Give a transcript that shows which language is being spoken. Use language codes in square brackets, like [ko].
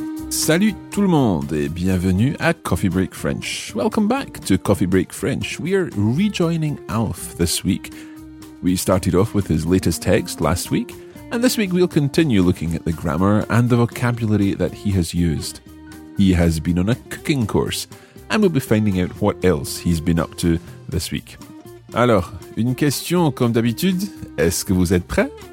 [fr] Salut tout le monde et bienvenue à Coffee Break French. [en] Welcome back to Coffee Break French. We are rejoining Alf this week. We started off with his latest text last week, and this week we'll continue looking at the grammar and the vocabulary that he has used. He has been on a cooking course, and we'll be finding out what else he's been up to this week. [fr] Alors, une question comme d'habitude, est-ce que vous êtes prêts?